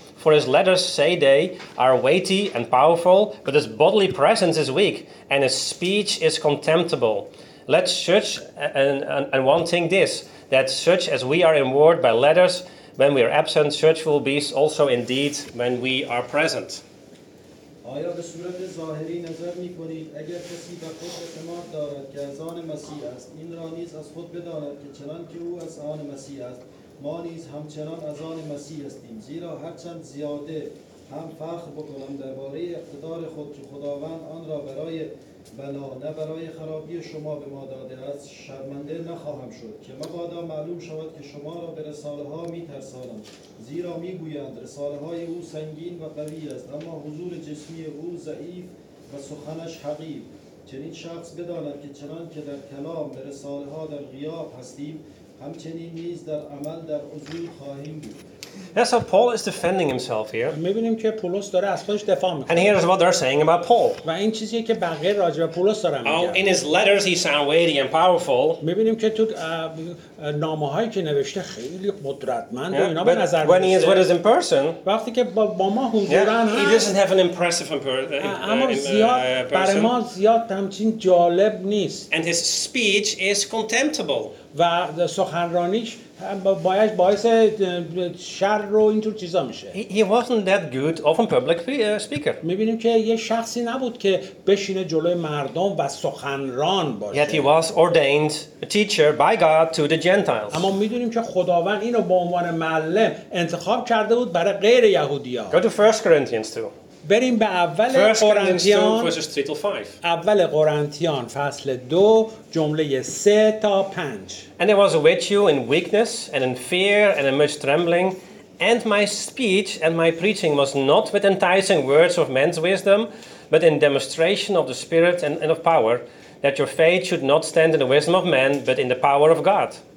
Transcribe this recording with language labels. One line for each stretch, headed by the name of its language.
English: For his letters, say they, are weighty and powerful, but his bodily presence is weak, and his speech is contemptible. Let such and one thing this, that such as we are in word by letters, when we are absent, such will be also indeed when we are present.
Persian: آیا به صورت ظاهری نظر می کنید اگر کسی به خود اعتماد دارد که از آن مسیح است، این را نیز از خود بداند که چنان که او از آن مسیح است، ما نیز همچنان از آن مسیح استیم. زیرا هرچند زیاده هم فخر بکنم درباره اقتدار خود که خداوند آن را برای بلا نه برای خرابی شما به ما داده است شرمنده نخواهم شد که مبادا معلوم شود که شما را به رساله ها میترسانم، زیرا میگویند رساله های او سنگین و قوی است اما حضور جسمی او ضعیف و سخنش حقیر. چنین شخص بداند که چنان که در کلام به رساله ها در غیاب هستیم، همچنین نیز در عمل در حضور خواهیم بود.
English: That's how Paul is defending himself here.
Persian: می‌بینیم که پولس داره از خودش دفاع می‌کنه.
English: And here is what they're saying about Paul.
Persian: و این چیزیه که بقیه راجع به پولس دارن میگن.
English: Oh, in his letters he sounds weighty and powerful.
Persian: می‌بینیم که تو نامه‌هایی که نوشته خیلی قدرتمند و اینا به نظر میاد.
English: When he is with us in person.
Persian: وقتی که با ما حضوراً هست.
English: He doesn't have an impressive impression.
Persian: برای ما زیاد همچین جالب نیست.
English: And his speech is contemptible.
Persian: و سخنرانیش باید باعث شر رو اینطور چیزا میشه.
English: He wasn't that good of a public speaker.
Persian: میبینیم که یه شخصی نبود که بشینه جلوی مردم و سخنران باشه.
English: Yet he was ordained a teacher by God to the Gentiles.
Persian: اما میدونیم که خداوند اینو به عنوان معلم انتخاب کرده بود برای غیر یهودیا.
English: Go to 1 Corinthians 2.
Persian: بریم به اول قرنتیان اول قرنتیان فصل 2 جمله 3 تا 5.
English: And there was with you in weakness and in fear and in much trembling, and my speech and my preaching was not with enticing words of men's wisdom, but in demonstration of the Spirit and of power, that your faith should not stand in the wisdom of men, but in the power of God.